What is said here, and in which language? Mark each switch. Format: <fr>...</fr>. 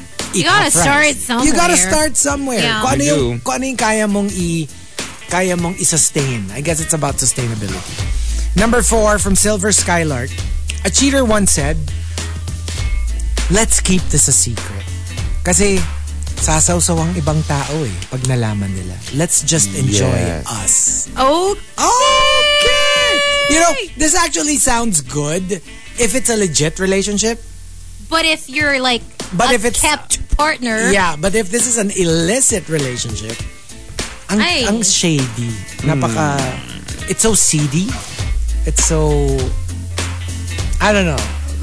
<en>eat half rice. You gotta start somewhere. You gotta start somewhere. Yeah.</en> <tl>Kung ano yung, kaya mong kaya mong isustain.</tl> <en>I guess it's about sustainability. Number 4 from Silver Skylark. A cheater once said, let's keep this a secret.</en> <tl>Kasi sasawsaw ang ibang tao eh pag nalaman nila.</tl> <en>Let's just enjoy yes. us. Okay! Okay! You know, this actually sounds good if it's a legit relationship. But if you're like but a if it's, kept partner. Yeah, but if this is an illicit relationship, ang shady. Napaka... It's so seedy. It's so... I don't know. It's</en>